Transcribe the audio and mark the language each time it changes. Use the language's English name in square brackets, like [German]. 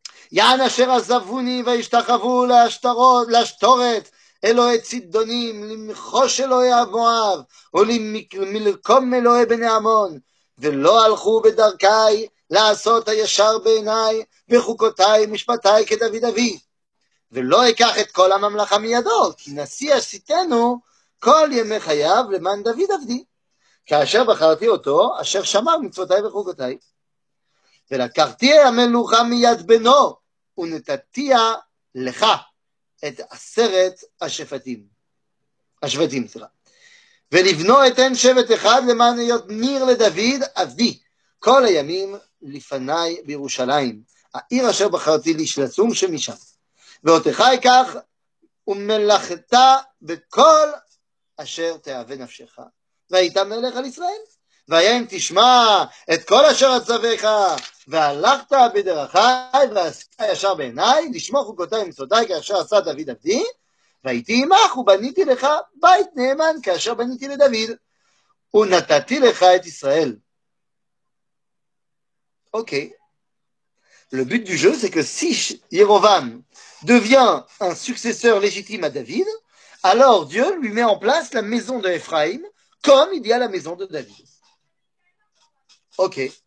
[Hebrew] Yan asher azavuni vaishtachavu lashtoret Elohe tzidonim limchosh Elohe Avoav olim milkom Elohe bene Amon velo alchu bedarkai laasot hayashar beinai bechukotai mishpatai kedavid avi velo ekach et kol hamamlacha miyado ki nasi asitenu כל ימי חייו למען דוד עבדי, כאשר בחרתי אותו, אשר שמר מצוותיי וחוקותיי. ולקחתי המלוכה מיד בנו, ונתתי לך את עשרת השפטים. השבטים, סליחה. ולבנו אתן שבט אחד למען היות ניר לדוד עבדי, כל הימים לפניי בירושלים, העיר אשר בחרתי לשלצום שמשם. ואותך אקח ומלאכתה בכל אשר תאווה נפשך, והיית מלך על ישראל, והיה אם תשמע את כל אשר עצבך, והלכת בדרכי, ועשית ישר בעיניי, לשמור חוקותיי ומצוותיי, כאשר עשה דוד עבדי, והייתי עמך, ובניתי לך בית נאמן, כאשר בניתי לדוד, ונתתי לך את ישראל. אוקיי. [French] Le but du jeu, c'est que si Yerovam devient un successeur légitime à David, alors Dieu lui met en place la maison de Ephraim comme il y a la maison de David. Ok.